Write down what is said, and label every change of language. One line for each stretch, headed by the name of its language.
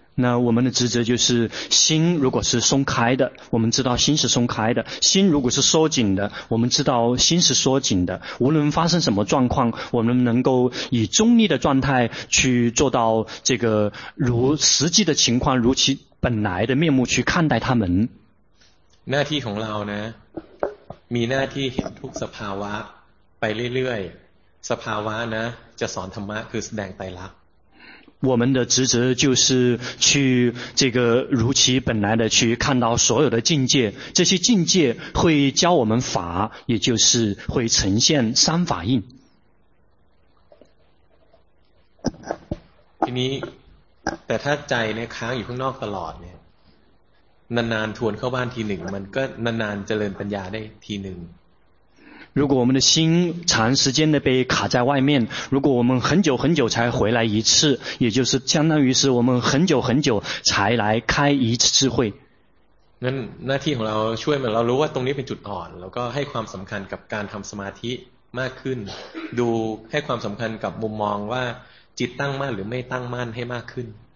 Chinese: 那我们的职责就是心如果是松开的我们知道心是松开的心如果是缩紧的我们知道心是缩紧的无论发生什么状况我们能够以中立的状态去做到这个如实际的情况如其本来的面目去看待他们
Thai: หน้าที่ของเราเนี่ยมีหน้าที่เห็นทุกสภาวะไปเรื่อยๆสภาวะนะจะสอนธรรมะคือแสดงไตรลักษณ์
Chinese: 我们的职责就是去这个如其本来的去看到所有的境界这些境界会教我们法也就是会呈现三法印今天
Thai: แต่ถ้าใจเนี่ยค้างอยู่ข้างนอกตลอดเนี่ยนานๆทวนเข้าบ้านทีหนึ่งมันก็นานๆเจริญปัญญาได้ทีหนึ่ง
Chinese: 如果我们的心长时间的被卡在外面如果我们很久很久才回来一次也就是相当于是我们很久很久才来开一次智慧
Thai: 那那ที่ของเราช่วยเหมือนเรารู้ว่าตรงนี้เป็นจุดอ่อนแล้วก็ให้ความสำคัญกับการทำสมาธิมากขึ้นดูให้ความสำคัญกับมุมมองว่าจิตตั้งมั่นหรือไม่ตั้งมั่นให้มากขึ้น